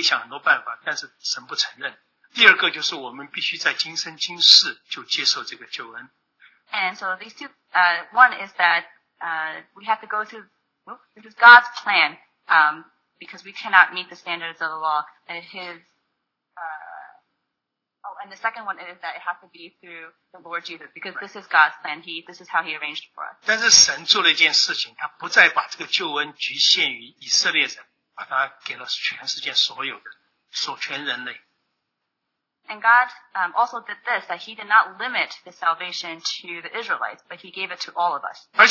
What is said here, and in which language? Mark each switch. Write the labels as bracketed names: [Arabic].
[Chinese] 这是两个啊，一个就是神的救赎是只限于耶稣基督，因着神自己的安排啊，人你可以想很多办法，但是神不承认。第二个就是我们必须在今生今世就接受这个救恩。 [English] And so these two, one is that we have to go through, this is God's plan, because we cannot meet the standards of the law. And his, and the second one is that it has to be through the Lord Jesus, because this is God's plan. This is how he arranged for us. [Chinese] 但是神做了一件事情，他不再把这个救恩局限于以色列人，把它给了全世界所有的，授权人类。 [English] And God also did this, that he did not limit the salvation to the Israelites, but he gave it to all of us.